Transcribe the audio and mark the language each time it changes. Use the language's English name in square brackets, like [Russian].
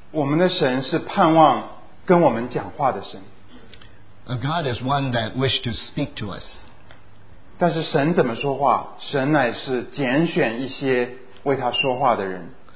[Chinese] 我们的神是盼望跟我们讲话的神。 [English] A God is one that wished to speak to us. [Chinese] 但是神怎么说话？神乃是拣选一些为他说话的人。